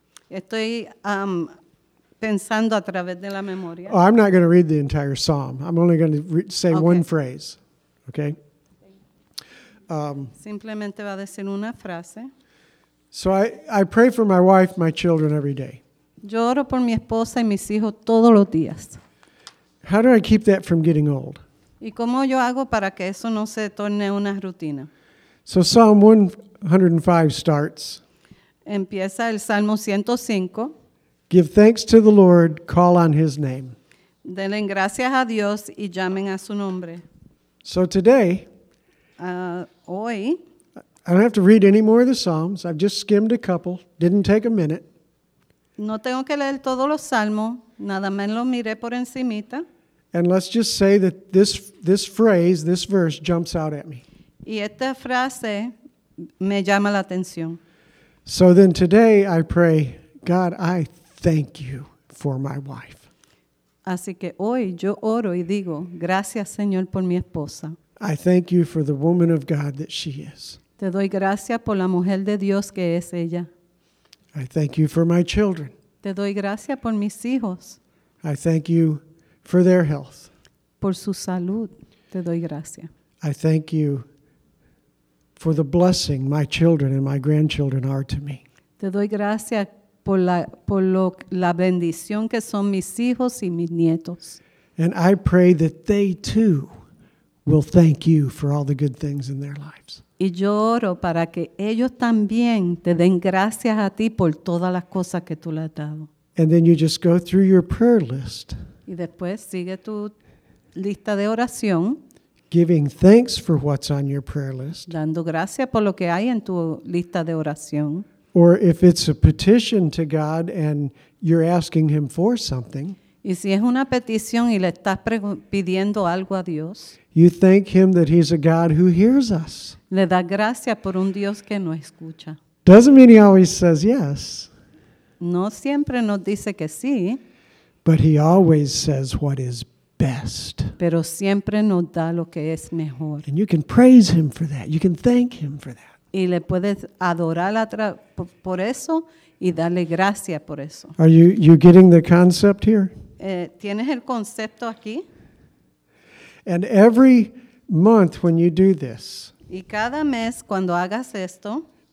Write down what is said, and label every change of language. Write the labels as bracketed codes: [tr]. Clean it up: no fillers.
[es] Estoy pensando a través de la memoria. [en] Oh, I'm not going to read the entire psalm. I'm only going to say okay. One phrase. Okay? [es] Simplemente va a decir una frase. [en] So I pray for my wife, my children every day. [es] Yo oro por mi esposa y mis hijos todos los días. [en] How do I keep that from getting old? [es] ¿Y cómo yo hago para que eso no se torne una rutina? [en] So Psalm 105 starts. [es] Empieza el Salmo 105. [en] Give thanks to the Lord, call on his name. [es] Denle gracias a Dios y llamen a su nombre. [en] So today, [es] hoy, [en] I don't have to read any more of the Psalms. I've just skimmed a couple. Didn't take a minute. [es] No tengo que leer todos los salmos. Nada más lo miré por encimita. [en] And let's just say that this phrase, this verse, jumps out at me. [es] Y esta frase me llama la atención. [en] So then today I pray, God, I thank you for my wife. [es] Así que hoy yo oro y digo, gracias, Señor, por mi esposa. [en] I thank you for the woman of God that she is. [es] Te doy gracias por la mujer de Dios que es ella. [en] I thank you for my children. [es] Te doy gracias por mis hijos. [en] I thank you for their health. [es] Por su salud, te doy gracias. [en] I thank you for the blessing my children and my grandchildren are to me. [es] Te doy gracias por la bendición que son mis hijos y mis nietos. [en] And I pray that they too will thank you for all the good things in their lives. [es] Y yo oro para que ellos también te den gracias a ti por todas las cosas que tú le has dado. [en] And then you just go through your prayer list. [es] Y después sigue tu lista de oración. [en] Giving thanks for what's on your prayer list. [es] Dando gracias por lo que hay en tu lista de oración. [en] Or if it's a petition to God and you're asking him for something. [es] Y si es una petición y le estás pidiendo algo a Dios. [en] You thank him that he's a God who hears us. [es] Le da gracias por un Dios que nos escucha. [en] Doesn't mean he always says yes. [es] No siempre nos dice que sí. [en] But he always says what is best. [es] Pero siempre nos da lo que es mejor. [en] And you can praise him for that. You can thank him for that. [es] y le puedes adorar por eso y darle gracias por eso. [en] Are you getting the concept here? [es] ¿Tienes el concepto aquí? [en] And every month when you do this, [es] y cada mes cuando hagas esto,